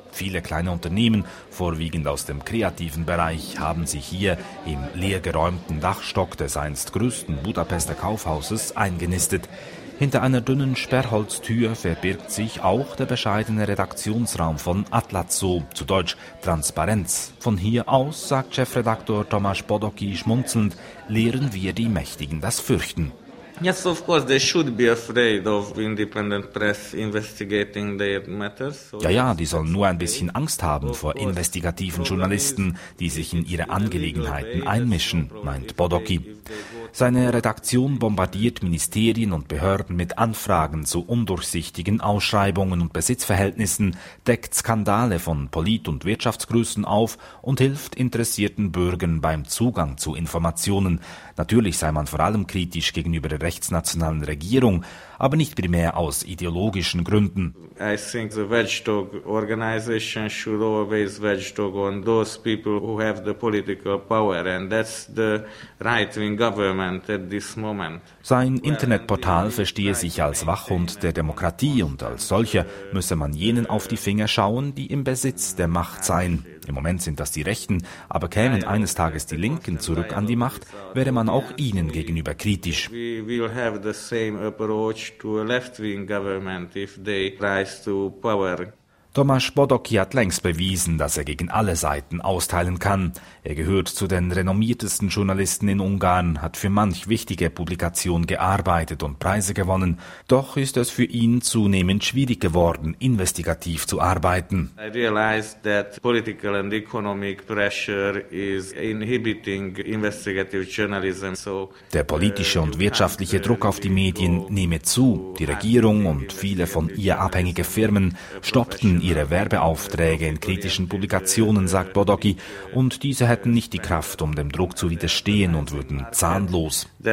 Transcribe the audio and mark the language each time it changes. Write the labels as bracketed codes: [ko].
[de] Viele kleine Unternehmen, vorwiegend aus dem kreativen Bereich, haben sich hier im leergeräumten Dachstock des einst größten Budapester Kaufhauses eingenistet. Hinter einer dünnen Sperrholztür verbirgt sich auch der bescheidene Redaktionsraum von Atlazó, zu Deutsch Transparenz. Von hier aus, sagt Chefredaktor Tomasz Bodoki schmunzelnd, lehren wir die Mächtigen das Fürchten. [en] Yes, of course, they should be afraid of independent press investigating their matters. [de] Ja, ja, die sollen nur ein bisschen Angst haben vor investigativen Journalisten, die sich in ihre Angelegenheiten einmischen, meint Bodoki. Seine Redaktion bombardiert Ministerien und Behörden mit Anfragen zu undurchsichtigen Ausschreibungen und Besitzverhältnissen, deckt Skandale von Polit- und Wirtschaftsgrößen auf und hilft interessierten Bürgern beim Zugang zu Informationen. Natürlich sei man vor allem kritisch gegenüber der rechtsnationalen Regierung, aber nicht primär aus ideologischen Gründen. [en] I think the Watchdog organization should always watchdog on those people who have the political power, and that's the right-wing government at this moment. [de] Sein Internetportal verstehe sich als Wachhund der Demokratie und als solcher müsse man jenen auf die Finger schauen, die im Besitz der Macht seien. Im Moment sind das die Rechten, aber kämen eines Tages die Linken zurück an die Macht, wäre man auch ihnen gegenüber kritisch. Tomasz Bodoki hat längst bewiesen, dass er gegen alle Seiten austeilen kann. Er gehört zu den renommiertesten Journalisten in Ungarn, hat für manch wichtige Publikation gearbeitet und Preise gewonnen. Doch ist es für ihn zunehmend schwierig geworden, investigativ zu arbeiten. [en] I realize that political and economic pressure is inhibiting investigative journalism. [de] Der politische und wirtschaftliche Druck auf die Medien nehme zu. Die Regierung und viele von ihr abhängige Firmen stoppten ihre Werbeaufträge in kritischen Publikationen, sagt Bodoki, und diese hätten nicht die Kraft, um dem Druck zu widerstehen und würden zahnlos.